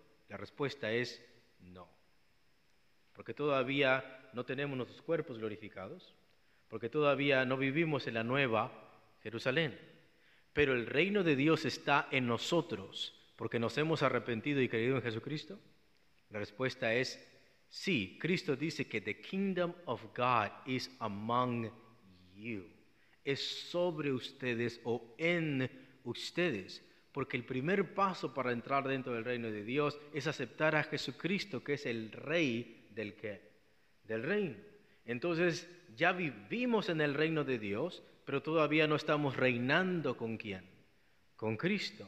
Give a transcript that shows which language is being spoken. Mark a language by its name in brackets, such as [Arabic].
[Spanish] La respuesta es no. Porque todavía no tenemos nuestros cuerpos glorificados, porque todavía no vivimos en la nueva Jerusalén. Pero el reino de Dios está en nosotros. ¿Porque nos hemos arrepentido y creído en Jesucristo? La respuesta es sí. Cristo dice que [English] the kingdom of God is among you. [Spanish] Es sobre ustedes o en ustedes. Porque el primer paso para entrar dentro del reino de Dios es aceptar a Jesucristo, que es el rey del ¿qué? Del reino. Entonces, ya vivimos en el reino de Dios, pero todavía no estamos reinando ¿con quién? Con Cristo.